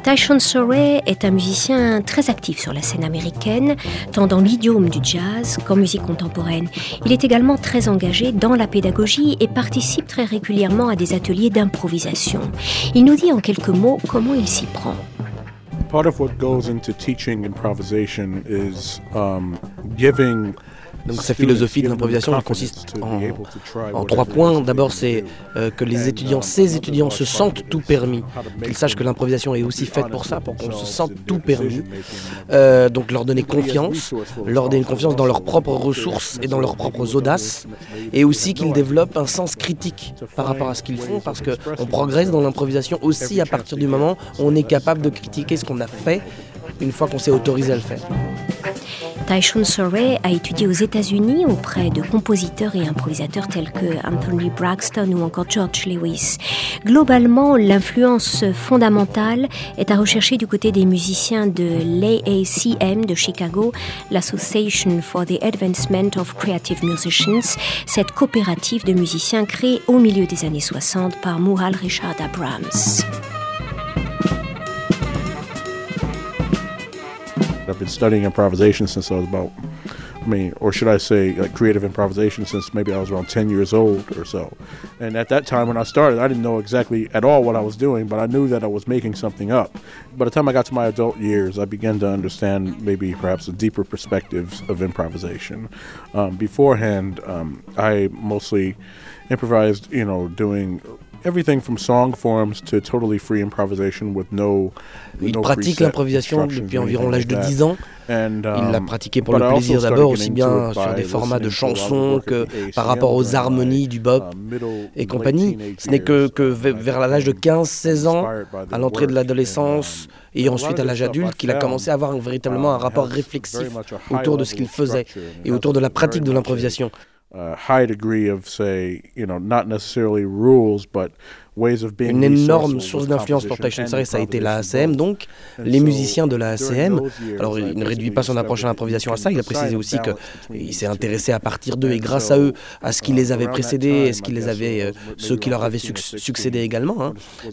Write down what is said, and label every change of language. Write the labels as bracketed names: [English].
[French] Tyson Surrey est un musicien très actif sur la scène américaine, tant dans l'idiome du jazz qu'en musique contemporaine. Il est également très engagé dans la pédagogie et participe très régulièrement à des ateliers d'improvisation. Il nous dit en quelques mots comment il s'y prend. [English] Part of what goes into teaching improvisation is giving. [French] Donc sa philosophie de l'improvisation consiste en trois points. D'abord, c'est que les étudiants, ses étudiants, se sentent tout permis, qu'ils sachent que l'improvisation est aussi faite pour ça, pour qu'on se sente tout permis. Donc leur donner confiance, dans leurs propres ressources et dans leurs propres audaces, et aussi qu'ils développent un sens critique par rapport à ce qu'ils font, parce qu'on progresse dans l'improvisation aussi à partir du moment où on est capable de critiquer ce qu'on a fait une fois qu'on s'est autorisé à le faire. Tyson Surrey a étudié aux États-Unis auprès de compositeurs et improvisateurs tels que Anthony Braxton ou encore George Lewis. Globalement, l'influence fondamentale est à rechercher du côté des musiciens de l'AACM de Chicago, l'Association for the Advancement of Creative Musicians, cette coopérative de musiciens créée au milieu des années 60 par Mughal Richard Abrams. [English] I've been studying improvisation since I was about, I mean, or should I say, like creative improvisation since maybe I was around 10 years old or so. And at that time when I started, I didn't know exactly at all what I was doing, but I knew that I was making something up. By the time I got to my adult years, I began to understand maybe perhaps the deeper perspectives of improvisation. Beforehand, I mostly improvised, you know, doing everything from song forms to totally free improvisation with no [French] Il pratique l'improvisation depuis environ l'âge de 10 ans. Il l'a pratiqué pour le plaisir d'abord, aussi bien sur des formats de chansons que par rapport aux harmonies du bop et compagnie. Ce n'est que vers l'âge de 15-16 ans, à l'entrée de l'adolescence et ensuite à l'âge adulte, qu'il a commencé à avoir véritablement un rapport réflexif autour de ce qu'il faisait et autour de la pratique de l'improvisation. [English] High degree of, say, you know, not necessarily rules, but ways of being. [French] Une énorme source d'influence pour Tyson Surrey, ça a été l'AACM, donc les musiciens de l'AACM. Alors, il ne réduit pas son approche à l'improvisation à ça. Il a précisé aussi que il s'est intéressé à partir d'eux et grâce à eux, à ce qui les avait précédés et ce qui les avait, ceux qui leur avaient succédé également. Hein.